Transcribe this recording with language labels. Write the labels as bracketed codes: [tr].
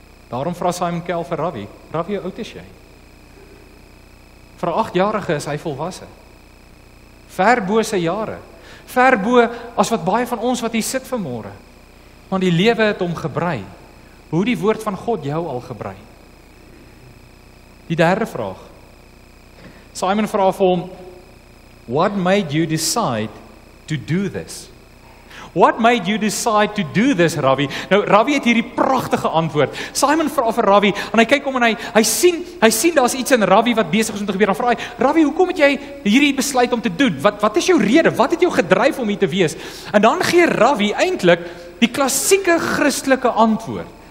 [af] Daarom vra Simon Kell vir Ravi: "Ravi, hoe oud is jy?" Vir 8-jarige is hy volwasse. Ver bo sy jare. Ver bo as wat baie van ons wat hier sit vanmôre. Want die lewe het hom gebrei. Hoe die woord van God jou al gebrei? Die derde vraag. [en] Simon vra vir hom: "What made you decide to do this? What made you decide to do this, Ravi?" [af] Nou, Ravi het hierdie prachtige antwoord. Simon vra vir Ravi, en hy kyk om en hy sien daar's iets in Ravi wat besig is om te gebeur. Dan vra hy: "Ravi, hoekom het jy hierdie besluit om te doen? Wat is jou rede? Wat het jou gedryf om hier te wees?" En dan gee Ravi eintlik die klassieke Christelike antwoord.